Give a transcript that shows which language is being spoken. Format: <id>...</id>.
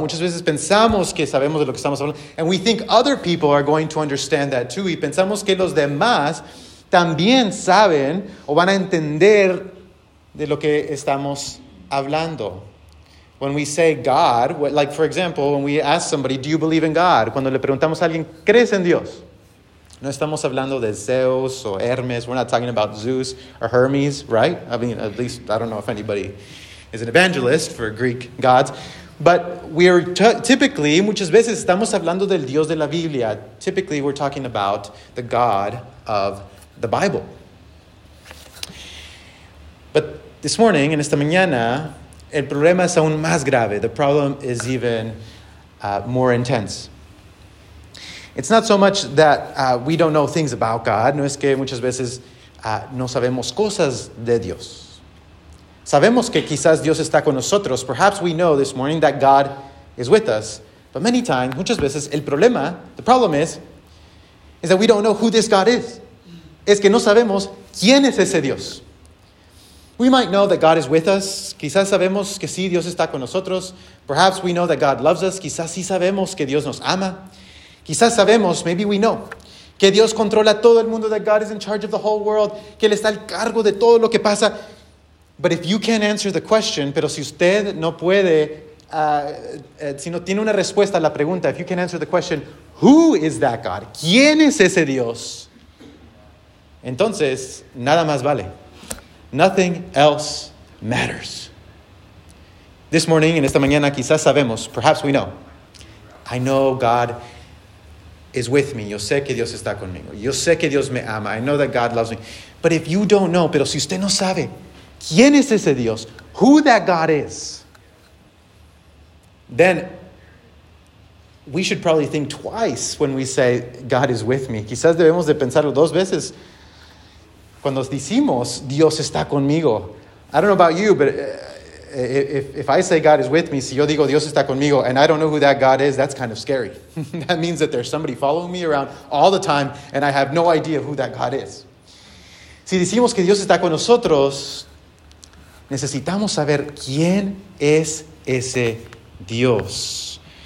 <es>Muchas veces pensamos que sabemos de lo que estamos hablando.</es> <en>And we think other people are going to understand that too.</en> <es>Y pensamos que los demás también saben o van a entender de lo que estamos hablando.</es> <en>When we say God, like for example, when we ask somebody, do you believe in God?</en> <es>Cuando le preguntamos a alguien, ¿crees en Dios? No estamos hablando de Zeus o Hermes.</es> <en>We're not talking about Zeus or Hermes, right? I mean, at least, I don't know if anybody is an evangelist for Greek gods. But we are typically,</en> <es>muchas veces estamos hablando del Dios de la Biblia.</es> <en>Typically, we're talking about the God of the Bible. But this morning,</en> <es>en esta mañana, el problema es aún más grave.</es> <en>The problem is even more intense. It's not so much that we don't know things about God.</en> <es>No es que muchas veces no sabemos cosas de Dios. Sabemos que quizás Dios está con nosotros.</es> <en>Perhaps we know this morning that God is with us. But many times,</en> <es>muchas veces,</es> <en>the problem is that we don't know who this God is.</en> <es>Es que no sabemos quién es ese Dios.</es> <en>We might know that God is with us.</en> <es>Quizás sabemos que sí, Dios está con nosotros.</es> <en>Perhaps we know that God loves us.</en> <es>Quizás sí sabemos que Dios nos ama. Quizás sabemos,</es> <en>maybe we know,</en> <es>que Dios controla todo el mundo,</es> <en>that God is in charge of the whole world,</en> <es>que Él está al cargo de todo lo que pasa.</es> <en>But if you can't answer the question,</en> <es>pero si usted no puede, si no tiene una respuesta a la pregunta,</es> <en>if you can't answer the question, who is that God?</en> <es>¿Quién es ese Dios? Entonces, nada más vale.</es> <en>Nothing else matters. This morning,</en> <es>en esta mañana, quizás sabemos,</es> <en>perhaps we know. I know God is with me.</en> <es>Yo sé que Dios está conmigo. Yo sé que Dios me ama.</es> <en>I know that God loves me. But if you don't know,</en> <es>pero si usted no sabe, ¿quién es ese Dios?</es> <en>Who that God is? Then we should probably think twice when we say God is with me.</en> <es>Quizás debemos de pensarlo dos veces cuando decimos Dios está conmigo.</es> <en>I don't know about you, but if I say God is with me,</en> <es>si yo digo Dios está conmigo</es> <en>and I don't know who that God is, that's kind of scary. That means that there's somebody following me around all the time and I have no idea who that God is.</en> <es>Si decimos que Dios está con nosotros, necesitamos saber quién es ese Dios.</es>